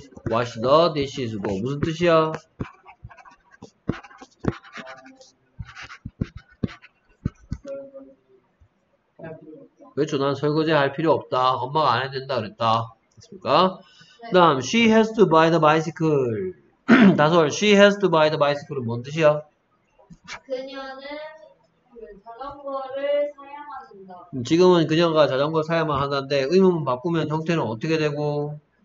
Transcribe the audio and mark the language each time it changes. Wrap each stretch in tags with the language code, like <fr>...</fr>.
<en>'Wash the dishes'</en> <ko>뭐 무슨 뜻이야? 그렇죠. 난 설거지 할 필요 없다. 엄마가 안 해도 된다 그랬다. 됐습니까? 그 다음,</ko> <en>she has to buy the bicycle. 다솔, she has to buy the bicycle은</en> <ko>뭔 뜻이야? 그녀는 자전거를 사야만 한다. 지금은 그녀가 자전거를 사야만 하는데, 의문문 바꾸면 형태는 어떻게 되고?</ko>